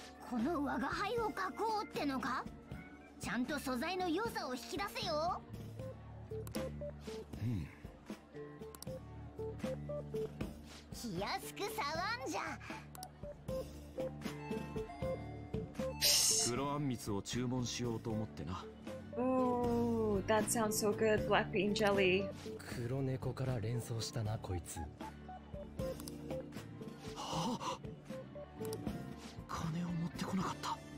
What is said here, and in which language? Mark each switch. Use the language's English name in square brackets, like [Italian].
[Japanese] この我が輩を描こうってのか。ちゃんと素材の良さを引き出せよ。気安く触んじゃ。黒あんみつを注文しようと思ってな。 [English] Ooh, that sounds so good, black bean jelly. [Japanese] 黒猫から連想したな、こいつ。はあ、金を持ってこなかった。